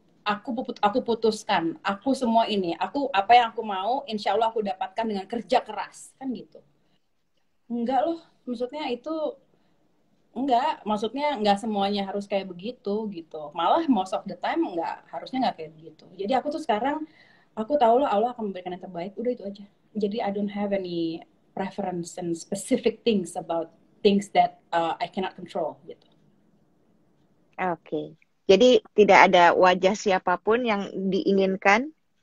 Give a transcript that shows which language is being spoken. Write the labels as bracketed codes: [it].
[id] Aku putuskan, aku semua ini, aku apa yang aku mau, insya Allah aku dapatkan dengan kerja keras kan gitu. Enggak loh, maksudnya itu enggak, maksudnya enggak semuanya harus kayak begitu gitu. Malah [en] most of the time [id] enggak, harusnya enggak kayak begitu. Jadi aku tuh sekarang, aku tahu loh Allah akan memberikan yang terbaik, udah itu aja. [en] Jadi I don't have any preference and specific things about things that I cannot control gitu. [id] Oke. Jadi tidak ada wajah siapapun yang diinginkan.